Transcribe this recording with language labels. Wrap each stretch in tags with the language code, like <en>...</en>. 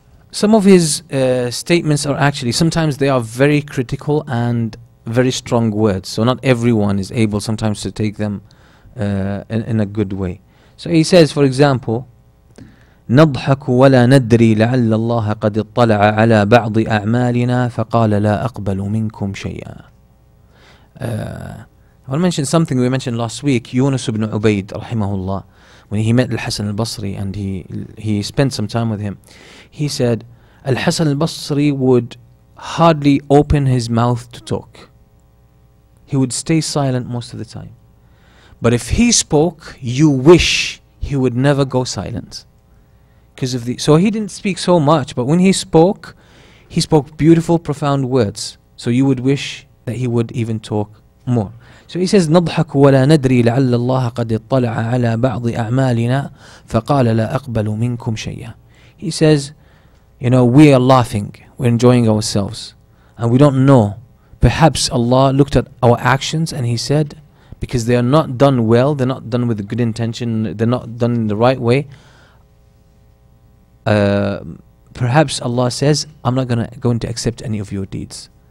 <en>Some of his statements are actually, sometimes they are very critical and very strong words. So not everyone is able sometimes to take them in a good way. So he says, for example,</en> <ar>نَضْحَكُ وَلَا نَدْرِي لَعَلَّ اللَّهَ قَدِ اطَّلَعَ عَلَى بَعْضِ أَعْمَالِنَا فَقَالَ لَا أَقْبَلُ مِنْكُمْ شَيْئًا.</ar> <en>I want to mention something we mentioned last week. Yunus ibn Ubaid, rahimahullah, when he met Al-Hasan al-Basri and he spent some time with him, he said Al-Hasan al-Basri would hardly open his mouth to talk. He would stay silent most of the time. But if he spoke, you wish he would never go silent. Because of the, so he didn't speak so much, but when he spoke beautiful, profound words. So you would wish that he would even talk more. So he says,</en> <ar>نَضْحَكُ وَلَا نَدْرِي لَعَلَّ اللَّهَ قَدْ اطَّلَعَ عَلَى بَعْضِ أَعْمَالِنَا فَقَالَ لَا أَقْبَلُ مِنْكُمْ شَيْئًا.</ar> <en>He says, you know, we are laughing, we're enjoying ourselves, and we don't know, Perhaps Allah looked at our actions and He said, because they are not done well, they're not done with a good intention, they're not done in the right way. Perhaps Allah says, I'm not going to accept any of your deeds.</en>